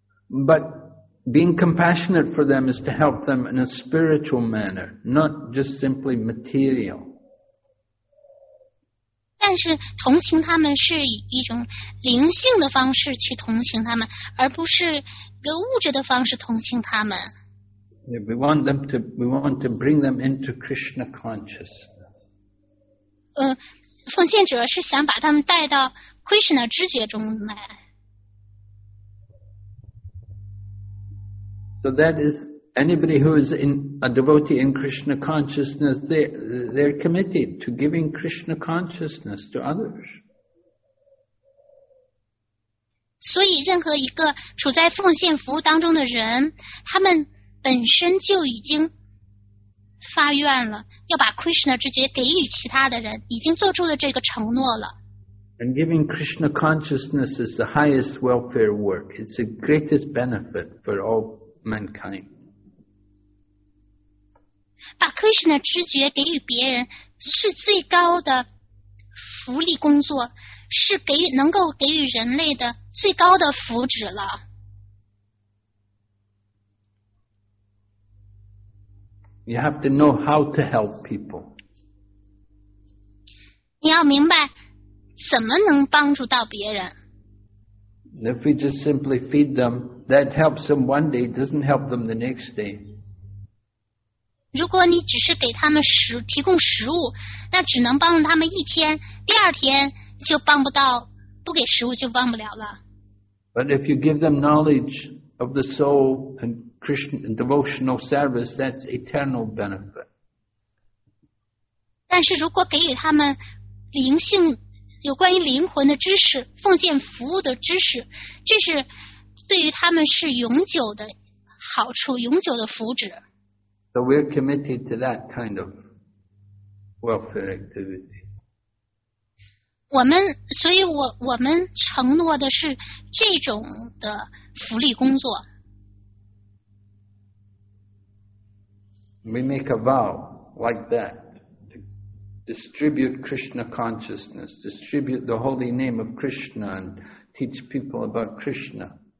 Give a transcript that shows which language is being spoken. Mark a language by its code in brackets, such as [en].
[en] But being compassionate for them is to help them in a spiritual manner, not just simply material. [zh] 但是同情他们是以一种灵性的方式去同情他们，而不是个物质的方式同情他们。 [en] Yeah, we want to bring them into Krishna consciousness. [zh] 奉献者是想把他们带到 Krishna 知觉中来。 [en] So that is anybody who is in a devotee in Krishna consciousness, they're committed to giving Krishna consciousness to others. [zh] 所以任何一个处在奉献服务当中的人，他们本身就已经发愿了，要把 Krishna 直接给予其他的人，已经做出了这个承诺了。 [en] And giving Krishna consciousness is the highest welfare work. It's the greatest benefit for all mankind. [zh] 把 Krishna 直接给予别人是最高的福利工作，是给予能够给予人类的最高的福祉了。 [en] You have to know how to help people. [zh] 你要明白怎么能帮助到别人。 [en] If we just simply feed them, that helps them one day, doesn't help them the next day. [zh] 如果你只是给他们提供食物，那只能帮助他们一天，第二天就帮不到，不给食物就帮不了了。 [en] But if you give them knowledge of the soul and Krishna devotional service, that's eternal benefit. [zh] 但是如果给予他们灵性有关于灵魂的知识，奉献服务的知识，这是对于他们是永久的好处，永久的福祉。 [en] So we're committed to that kind of welfare activity. [zh] 所以我们承诺的是这种的福利工作。 [en] We make a vow like that to distribute Krishna consciousness, distribute the holy name of Krishna and teach people about Krishna.